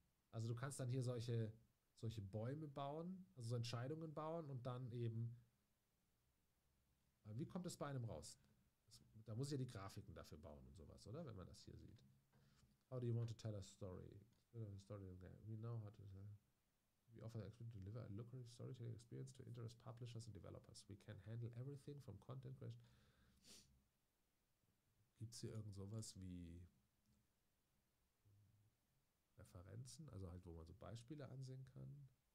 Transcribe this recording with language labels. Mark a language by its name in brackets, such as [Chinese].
[German] Also du kannst dann hier solche Bäume bauen, also so Entscheidungen bauen und dann eben, wie kommt das bei einem raus? Da muss ich ja die Grafiken dafür bauen und sowas, oder? Wenn man das hier sieht. [English] How do you want to tell a story? We know how to tell. We offer the expert to deliver a lucrative storytelling experience to interest publishers and developers. We can handle everything from content creation. [German] Gibt es hier irgend sowas wie Referenzen, also halt, wo man so Beispiele ansehen kann?